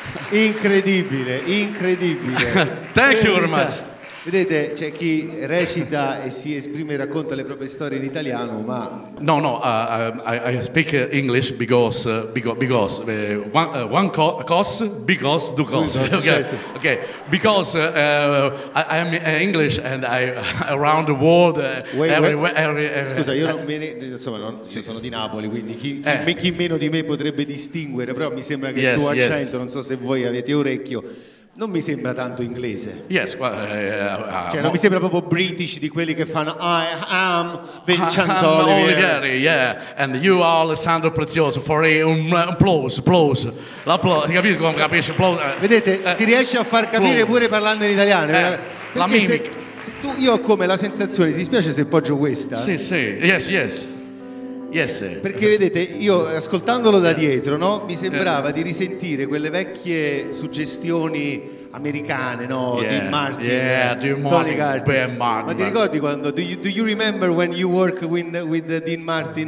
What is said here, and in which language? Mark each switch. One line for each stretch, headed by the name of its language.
Italian: Incredibile, incredibile.
English: Thank you very much.
Italian: Vedete, c'è chi recita e si esprime e racconta le proprie storie in italiano, ma...
English: No, I speak English because because I'm English and I around the world
Italian: Scusa, io non me ne, insomma, non, sì. Io sono di Napoli, quindi chi meno di me potrebbe distinguere, però mi sembra che il suo accento, non so se voi avete orecchio, non mi sembra tanto inglese.
English: Yes, well,
Italian: cioè non mi sembra proprio British, di quelli che fanno
English: I am Vincenzo Olivieri, yeah, and you are Alessandro Prezioso, for applause,
Italian: l'applauso, capisci come capisci? Vedete, si riesce a far capire pure parlando in italiano. La mimic. Io ho come la sensazione, ti dispiace se poggio questa? Sì, sì,
English: yes, sir.
Italian: Perché vedete, io ascoltandolo da dietro, no, mi sembrava di risentire quelle vecchie suggestioni americane, no?
English: Yeah. Dean Martin, Tony Curtis.
Italian: Ma ti ricordi quando?
English: Do you remember when you work with Dean Martin?